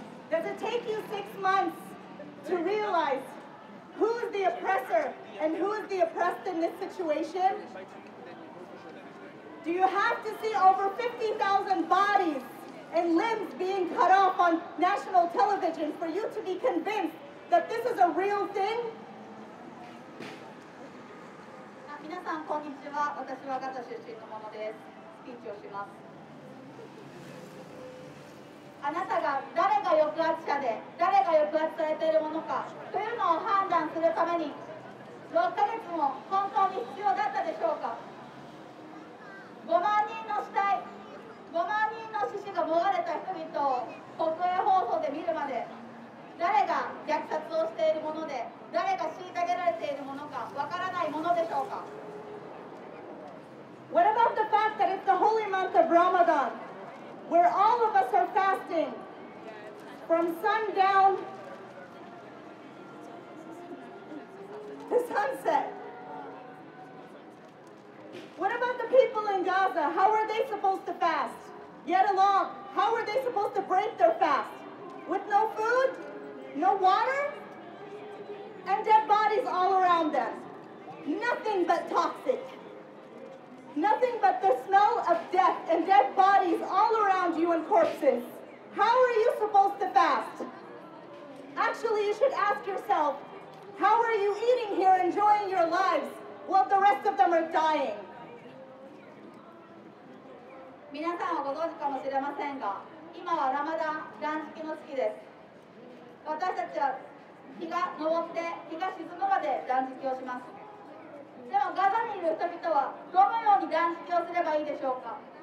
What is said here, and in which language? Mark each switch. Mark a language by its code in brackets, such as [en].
[en] Does it take you 6 months to realize who is the oppressor and who is the oppressed in this situation? Do you have to see over 50,000 bodies and limbs being cut off on national television for you to be convinced that this is a real thing? [ja] 皆さんこんにちは。私はガザ出身の者です。スピーチをします。あなたが誰が抑圧者で、誰が抑圧されているものかというのを判断するために、6ヶ月も本当に必要だったでしょうか。 5万人の死体、5万人の死者がもがれた人々を国営放送で見るまで、誰が虐殺をしているもので、誰が虐げられているものかわからないものでしょうか。 [en] What about the fact that it's the holy month of Ramadan, where all of us are fasting from sundown to sunset? What about the people in Gaza? How are they supposed to fast? Yet alone, how are they supposed to break their fast? With no food, no water, and dead bodies all around them. Nothing but toxic. Nothing but the smell of death and dead bodies all around you and corpses. How are you supposed to fast? Actually, you should ask yourself, how are you eating here, enjoying your lives, while the rest of them are dying? [ja] 皆さんはご存知かもしれませんが、今はラマダン、断食の月です。私たちは日が昇って日が沈むまで断食をします。でもガザにいる人々はどのように断食をすればいいでしょうか。